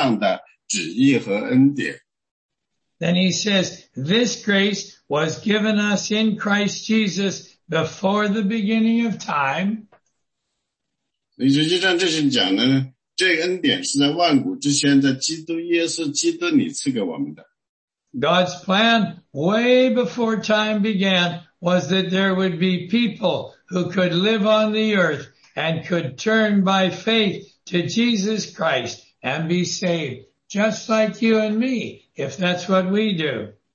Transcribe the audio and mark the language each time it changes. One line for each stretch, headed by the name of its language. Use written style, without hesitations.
Chinese: 所以实际上使得保罗跟提摩太说,提摩太,你现在有一个非常重要的工作要去做,神呢,在你身上是有一个旨意的,你要去跟其他的人传讲我们的主耶稣基督,所以不要忘记神在你身上的旨意和恩典。
English: Then he says, this grace was given us in Christ Jesus before the beginning of time.
Chinese: 所以实际上这是讲的, 这个恩典是在万古之前,在基督耶稣基督里赐给我们的。
English: God's plan way before time began was that there would be people who could live on the earth and could turn by faith to Jesus Christ and be saved, just like you and me, if that's what we do.